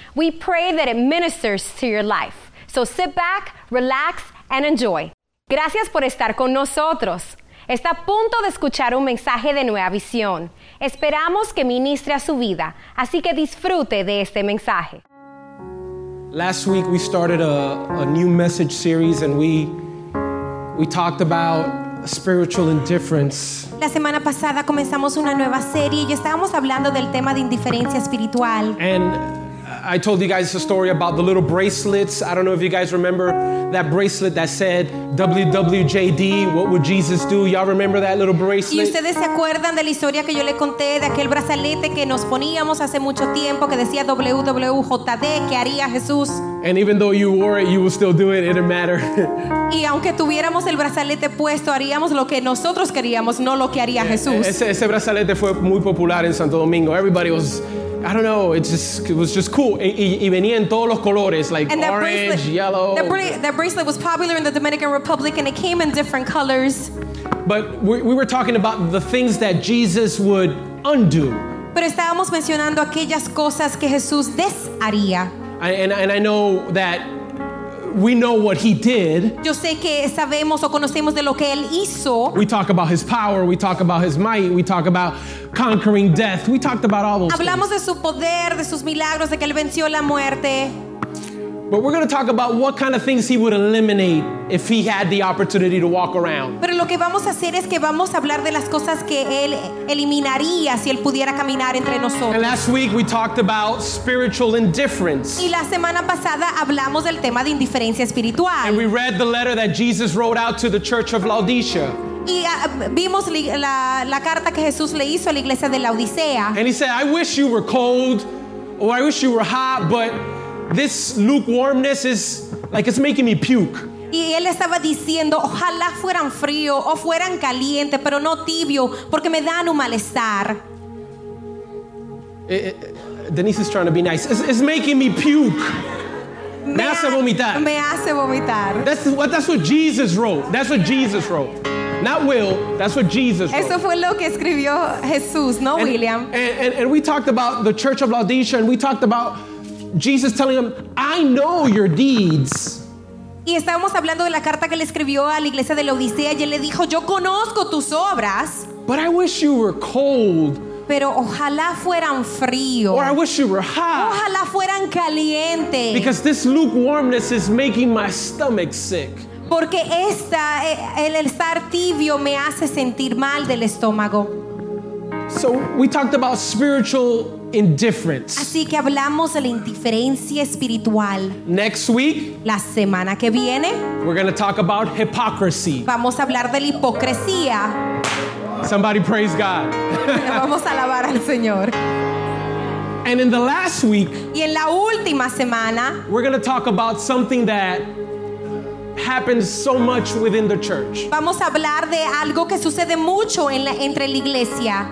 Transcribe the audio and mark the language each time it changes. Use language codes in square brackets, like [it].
[en] We pray that it ministers to your life. So sit back, relax, and enjoy. [es] Gracias por estar con nosotros. Está a punto de escuchar un mensaje de Nueva Visión. Esperamos que ministre a su vida, así que disfrute de este mensaje. [en] Last week we started a new message series and we talked about spiritual indifference. [es] La semana pasada comenzamos una nueva serie y estábamos hablando del tema de indiferencia espiritual. [en] And I told you guys a story about the little bracelets. I don't know if you guys remember that bracelet that said WWJD, what would Jesus do? Y'all remember that little bracelet? [es] ¿Y ustedes se acuerdan de la historia que yo le conté de aquel brazalete que nos poníamos hace mucho tiempo que decía WWJD, qué haría Jesús? [en] And even though you wore it, you will still do it. It didn't matter. [es] Y aunque tuviéramos el brazalete puesto, haríamos lo que nosotros queríamos, no lo que haría Jesús. Ese brazalete fue muy popular en Santo Domingo. [en] Everybody was, I don't know, it was just cool. [es] Y venía en todos los colores, like [en] and orange, bracelet, yellow. That bracelet was popular in the Dominican Republic and it came in different colors. But we were talking about the things that Jesus would undo. [es] Pero estábamos mencionando aquellas cosas que Jesús desharía. [en] And I know that we know what he did. [es] Yo sé que sabemos o conocemos de lo que él hizo. [en] We talk about his power, we talk about his might, we talk about conquering death. We talked about all those [es] Hablamos [en] things. [es] De su poder, de sus milagros, de que él venció la muerte. [en] But we're going to talk about what kind of things he would eliminate if he had the opportunity to walk around. [es] Pero lo que vamos a hacer es que vamos a hablar de las cosas que él eliminaría si él pudiera caminar entre nosotros. [en] And last week we talked about spiritual indifference. [es] Y la semana pasada hablamos del tema de indiferencia espiritual. [en] And we read the letter that Jesus wrote out to the church of Laodicea. [es] Y vimos la carta que Jesús le hizo a la iglesia de Laodicea. [en] And he said, I wish you were cold, or I wish you were hot, but this lukewarmness is like it's making me puke. [es] Y él estaba diciendo, ojalá fueran frío o fueran caliente, pero no tibio, porque me dan un malestar. [en] Denise is trying to be nice. It's making me puke. [es] Me hace vomitar. [en] That's what Jesus wrote. Not Will, that's what Jesus wrote. [es] Eso fue lo que escribió Jesús, no William. [en] And we talked about the church of Laodicea, and we talked about Jesus telling them, I know your deeds. [es] Y estábamos hablando de la carta que le escribió a la iglesia de Laodicea, y él le dijo, yo conozco tus obras. [en] But I wish you were cold. [es] Pero ojalá fueran frío. [en] Or I wish you were hot. [es] Ojalá fueran caliente. [en] Because this lukewarmness is making my stomach sick. [es] Porque el estar tibio me hace sentir mal del estómago. [en] So we talked about spiritual indifference. [es] Así que hablamos de la indiferencia espiritual. [en] Next week, [es] la semana que viene, [en] we're going to talk about hypocrisy. [es] Vamos a hablar de la hipocresía. [en] Somebody praise God. [es] Vamos a alabar al Señor. [en] And in the last week, [es] y en la última semana, [en] we're going to talk about something that happens so much within the church. [es] Vamos a hablar de algo que sucede mucho entre la iglesia.